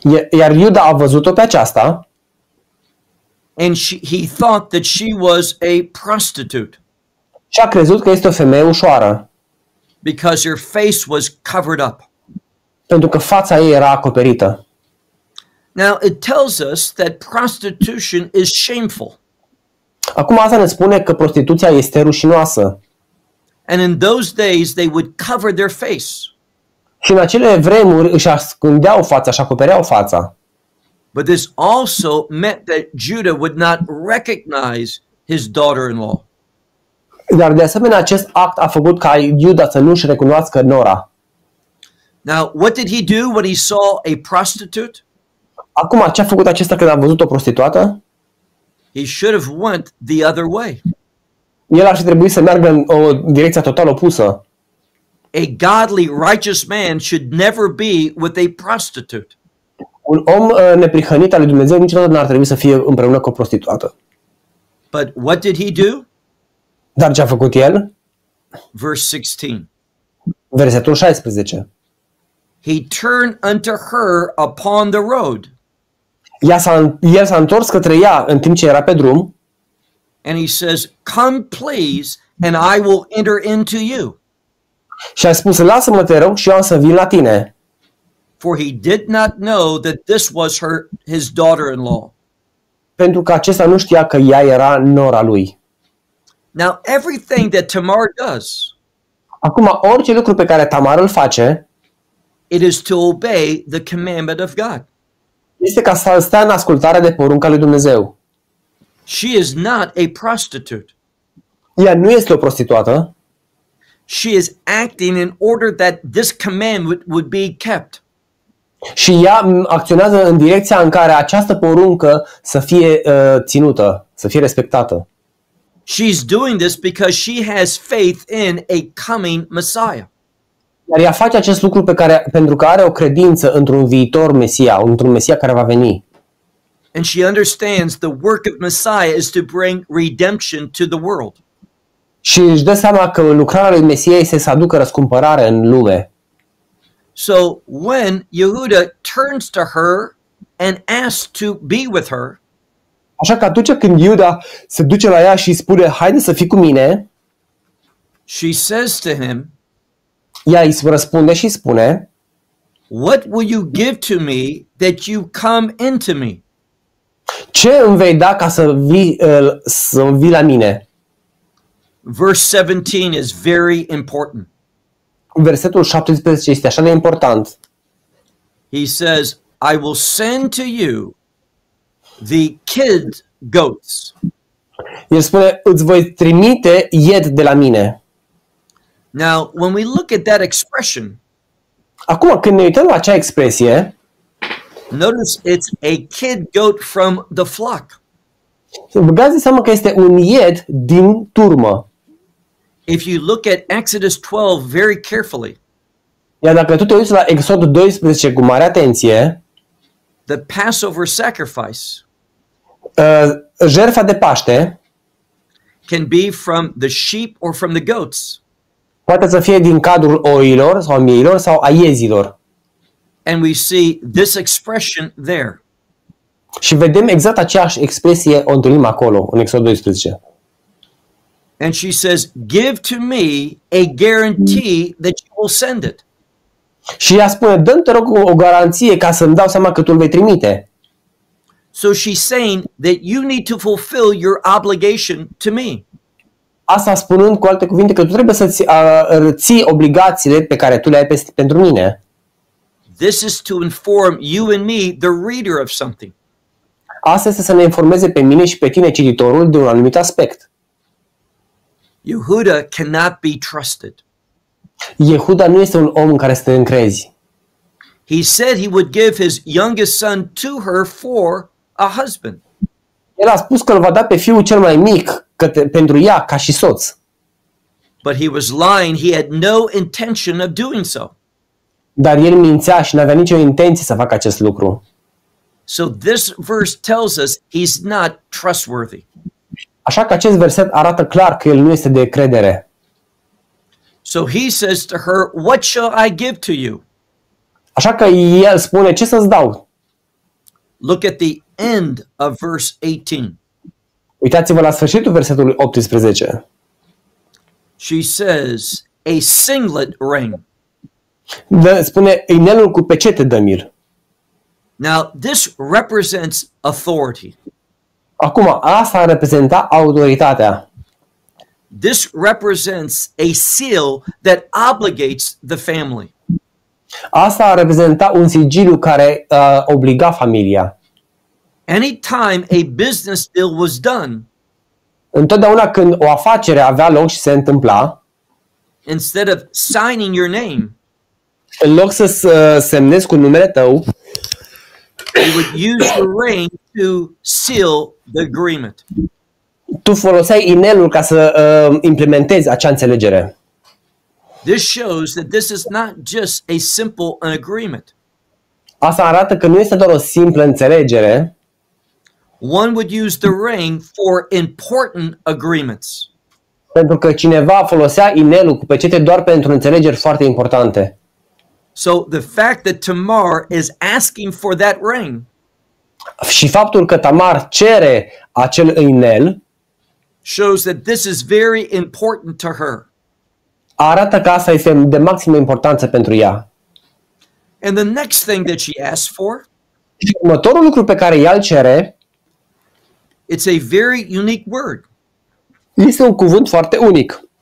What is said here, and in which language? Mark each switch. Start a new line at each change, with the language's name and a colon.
Romanian: Iar Iuda a văzut-o pe aceasta.
English: And he thought that she was a prostitute.
Romanian: Și a crezut că este o femeie ușoară.
English: Because her face was covered up.
Romanian: Pentru că fața ei era acoperită.
English: Now it tells us that prostitution is shameful.
Romanian: Acum asta ne spune că prostituția este rușinoasă.
English: And in those days they would cover their face.
Romanian: Și în acele vremuri își ascundeau fața, își acopereau fața.
English: But this also meant that Judah would not recognize his daughter-in-law.
Romanian: Dar de asemenea acest act a făcut ca Iuda să nu își recunoască nora.
English: Now, what did he do when he saw a prostitute?
Romanian: Acum, ce a făcut acesta când a văzut o prostituată?
English: He should have went the other way.
Romanian: El ar fi trebuit să meargă în o direcție total opusă.
English: A godly, righteous man should never be with a prostitute.
Romanian: Un om neprihănit al lui Dumnezeu niciodată n-ar trebui să fie împreună cu o prostituată.
English: But what did he do?
Romanian: Dar ce a făcut el?
English: Verse 16.
Romanian: Versetul 16.
English: He turned unto her upon the road.
Romanian: El s-a întors către ea în timp ce era pe drum.
English: And he says, "Come please and I will enter into you."
Romanian: Și a spus: "Lasă-mă, te rog, și eu am să vin la tine."
English: For he did not know that this was his daughter-in-law.
Romanian: Pentru că acesta nu știa că ea era nora lui.
English: Now everything that Tamar does.
Romanian: Acum orice lucru pe care Tamar îl face,
English: it is to obey the commandment of God.
Romanian: Este ca să stea în ascultare de porunca lui Dumnezeu.
English: She is not a prostitute.
Romanian: Ea nu este o prostituată.
English: She is acting in order that this command would be kept.
Romanian: Și ea acționează în direcția în care această poruncă să fie ținută, să fie respectată.
English: She's doing this because she has faith in a coming Messiah.
Romanian: Dar ea face acest lucru pentru că are o credință într-un viitor Mesia, într-un Mesia care va veni.
English: And she understands the work of Messiah is to bring redemption to the world.
Romanian: Și își dă seama că lucrarea lui Mesia este să aducă răscumpărare în lume.
English: So when Yehuda turns to her and asks to be with her,
Romanian: așa că atunci când Iuda se duce la ea și îi spune: "Haide să fii cu mine."
English: She says to him,
Romanian: ea îi răspunde și spune:
English: "What will you give to me that you come into me?"
Romanian: Ce îmi vei da ca să vii la mine?
English: Verse 17 is very important.
Romanian: Versetul 17 este așa de important.
English: He says, I will send to you the kid goats.
Romanian: El spune, îți voi trimite ied de la mine.
English: Now, when we look at that expression,
Romanian: acum, când ne uităm la acea expresie,
English: notice it's a kid goat from the flock.
Romanian: Băgați seama că este un ied din turmă.
English: If you look at Exodus 12 very carefully,
Romanian: iar dacă tu te uiți la Exod 12 cu mare atenție,
English: the Passover sacrifice,
Romanian: jertfa de Paște,
English: can be from the sheep or from the goats.
Romanian: Poate să fie din cadrul oilor sau miilor sau a iezilor.
English: And we see this expression there.
Romanian: Și vedem exact aceeași expresie o întâlnim acolo în Exod 12.
English: And she says, "Give to me a guarantee that you will send it."
Romanian: Și ea spune, dă-mi, te rog, o garanție ca să-mi dau seama că tu îl vei trimite.
English: So she's saying that you need to fulfill your obligation to me.
Romanian: Asta spunând cu alte cuvinte că tu trebuie să-ți ții obligațiile pe care tu le ai pentru mine.
English: This is to inform you and me, the reader, of something.
Romanian: Asta este să ne informeze pe mine și pe tine, cititorul, de un anumit aspect.
English: Yehuda cannot be trusted.
Romanian: Yehuda nu este un om în care să te încrezi.
English: He said he would give his youngest son to her for a husband.
Romanian: El a spus că îl va da pe fiul cel mai mic pentru ea ca și soț.
English: But he was lying, he had no intention of doing so.
Romanian: Dar el mințea și n-avea nicio intenție să facă acest lucru.
English: So this verse tells us he's not trustworthy.
Romanian: Așa că acest verset arată clar că el nu este de credere.
English: So he says to her, "What shall I give to you?"
Romanian: Așa că el spune, ce să-ți dau?
English: Look at the end of verse 18.
Romanian: Uitați-vă la sfârșitul versetului 18.
English: She says, "A singlet ring."
Romanian: Spune, inelul cu pecete, dă-mi-l.
English: Now, this represents authority.
Romanian: Acum, asta reprezenta autoritatea.
English: This represents a seal that obligates the family.
Romanian: Asta a reprezentat un sigiliu care obliga familia.
English: Anytime a business deal was done,
Romanian: întotdeauna când o afacere avea loc și se întâmpla,
English: instead of signing your name,
Romanian: în loc să semnezi cu numele tău,
English: you would use the ring to seal the agreement.
Romanian: Tu foloseai inelul ca să implementezi acea înțelegere.
English: This shows that this is not just a simple agreement.
Romanian: Asta arată că nu este doar o simplă înțelegere.
English: One would use the ring for important agreements.
Romanian: Pentru că cineva folosea inelul cu pecete doar pentru înțelegeri foarte importante.
English: So the fact that Tamar is asking for that ring.
Romanian: Și faptul că Tamar cere acel inel
English: shows that this is very important to her.
Romanian: Arată că asta este de maximă importanță pentru ea.
English: And the next thing that she asks for,
Romanian: și următorul lucru pe care ea îl cere,
English: it's a very unique word.
Romanian: Este un cuvânt foarte unic.